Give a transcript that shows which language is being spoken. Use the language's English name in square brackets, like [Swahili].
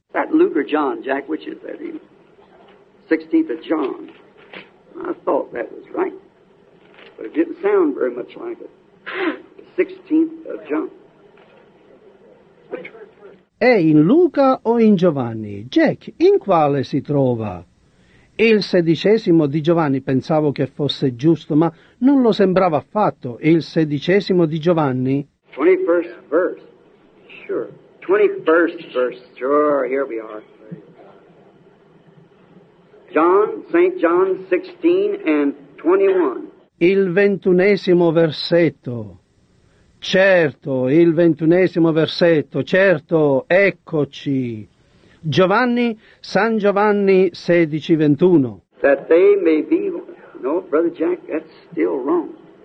[English] That Luke or John, Jack, which is that? 16th of John. I thought that was right. But it didn't sound very much like it. 16th of John. [Italian] È in Luca o in Giovanni? Jack, in quale si trova? Il sedicesimo di Giovanni, pensavo che fosse giusto, ma non lo sembrava affatto. Il sedicesimo di Giovanni? [English] 21st verse, sure. 21st verse, sure, here we are. John, St. John 16 and 21. [Italian] Il ventunesimo versetto. Certo, il ventunesimo versetto, certo, eccoci. Giovanni, San Giovanni 16:21. [English] That they may be, no, Brother Jack, that's still wrong.